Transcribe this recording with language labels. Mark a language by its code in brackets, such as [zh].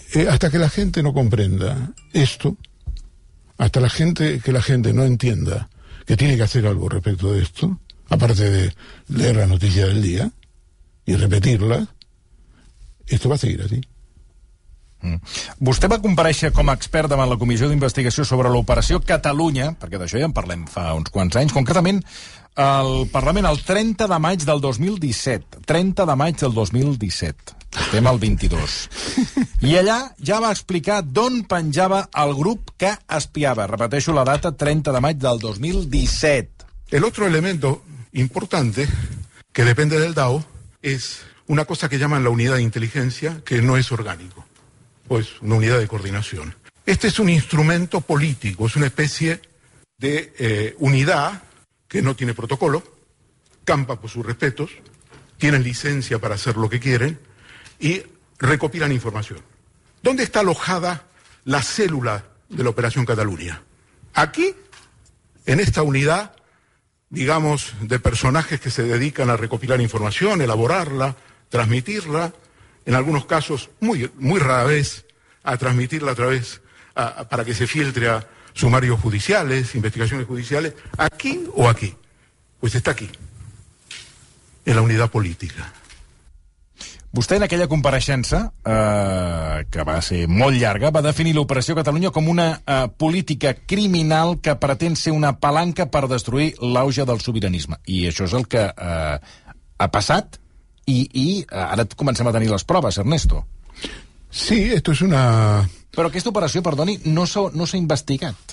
[es] Hasta que la gente no comprenda esto, hasta que la gente no entienda que tiene que hacer algo respecto de esto, aparte de leer la noticia del día y repetirla, esto va a seguir así. [ca] Vostè va comparèixer com a expert davant la Comissió d'Investigació sobre l'Operació Catalunya, perquè d'això ja en parlem fa uns quants anys, concretament al Parlament el 30 de maig del 2017. 30 de maig del 2017. Estem al 22. I allà ja va explicar d'on penjava el grup que espiava. Repeteixo la data, 30 de maig del 2017. [es] El otro elemento importante, que depende del DAO, es una cosa que llaman la unidad de inteligencia, que no es orgánico. Pues una unidad de coordinación. Este es un instrumento político, es una especie de unidad que no tiene protocolo, campa por sus respetos, tienen licencia para hacer lo que quieren y recopilan información. ¿Dónde está alojada la célula de la Operación Cataluña? Aquí, en esta unidad, digamos, de personajes que se dedican a recopilar información, elaborarla, transmitirla, en algunos casos, muy, muy rara vez, a transmitirla a través, para que se filtre a sumarios judiciales, investigaciones judiciales, aquí o aquí. Pues está aquí, en la unidad política. [ca] Vostè, en aquella compareixença, que va ser molt llarga, va definir l'Operació Catalunya com una política criminal que pretén ser una palanca per destruir l'auge del sobiranisme. I això és el que ha passat. [es] Y ahora comencemos a tener las pruebas, Ernesto. Sí, esto es una... Pero que esta operación, perdone, no se ha investigado.